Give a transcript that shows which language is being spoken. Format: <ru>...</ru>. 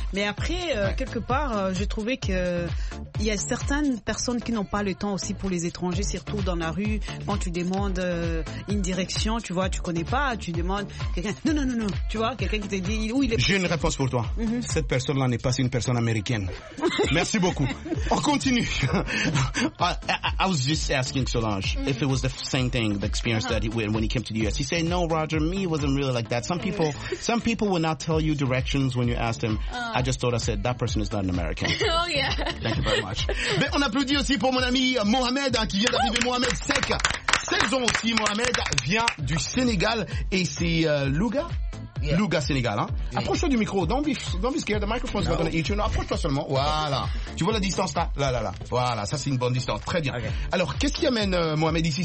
<fr>Mais après, quelque part, j'ai trouvé que il y a certaines personnes qui n'ont pas le temps aussi pour les étrangers, surtout dans la rue. Quand tu demandes une direction, tu vois, tu connais pas, tu demandes quelqu'un. Non. Tu vois, quelqu'un qui te dit où il est. J'ai une réponse pour toi. Mm-hmm. Cette personne-là n'est pas une personne américaine. Merci beaucoup. On continue.</fr> <en>I was just asking Solange if it was the same thing, the experience that when he came to the US. He said, no, Roger, me wasn't really like that. Some people will not tell you directions when you ask them. I just thought, I said, that person is not an American. Oh, yeah. Thank you very much.</en> <fr>Mais on applaudit aussi pour mon ami Mohamed, hein, qui vient d'arriver. Ouh. Mohamed Sek. 16 ans aussi, Mohamed vient du Sénégal et c'est Louga.</fr> <en>Yeah. Louga Sénégal, hein. Yeah.</en> <fr>Approche-toi du micro.</fr> <en>Don't be scared. The microphone's not gonna eat you. No,</en> <fr>approche-toi seulement. Voilà. Tu vois la distance là. Voilà. Ça, c'est une bonne distance. Très bien. Okay. Alors, qu'est-ce qui amène Mohamed ici?</fr>